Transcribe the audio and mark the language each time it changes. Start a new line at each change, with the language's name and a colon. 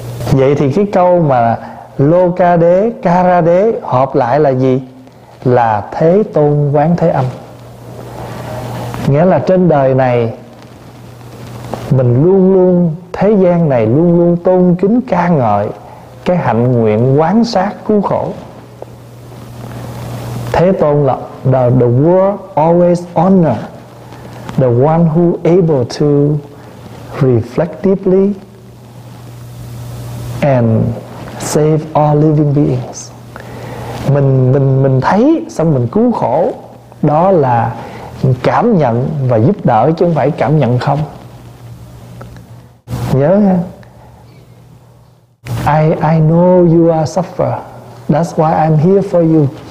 Vietnamese: Vậy thì cái câu mà Lô Ca Đế, Kara Đế hợp lại là gì? Là Thế Tôn Quán Thế Âm. Nghĩa là trên đời này, mình luôn luôn, thế gian này luôn luôn tôn kính ca ngợi cái hạnh nguyện quán sát cứu khổ. Thế Tôn là
English: the world always honor the one who able to reflect deeply and save all living beings.
Vietnamese: Mình thấy xong mình cứu khổ, đó là cảm nhận và giúp đỡ chứ không phải cảm nhận không. Nhớ ha.
English: I know you are suffer. That's why I'm here for you.